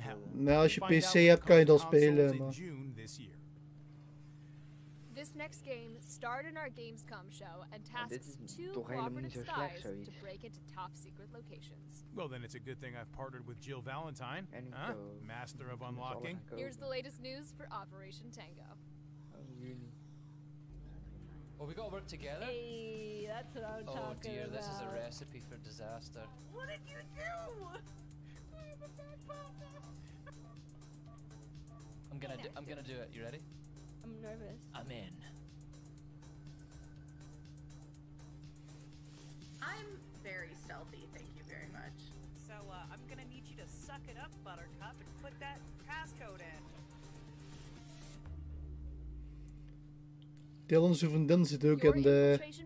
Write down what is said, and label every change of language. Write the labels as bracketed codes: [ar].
[nl] Nou, als je PC hebt, kan je dat spelen. Maar. [en] This next game starred in our Gamescom show and tasked two cooperative spies to break into top secret locations. Well, then it's a good thing I've partnered with Jill Valentine, huh? Master of unlocking. Here's the latest news for Operation Tango. Oh, we got to work together? Hey, that's what I'm talking about. Oh dear, this is a recipe for disaster. What did you do? I'm gonna do it. You ready? I'm nervous. I'm in. I'm very stealthy, thank you very much. So, I'm gonna need you to suck it up, Buttercup, and put that passcode in. [nl] Deel onze vriendin zit ook in de...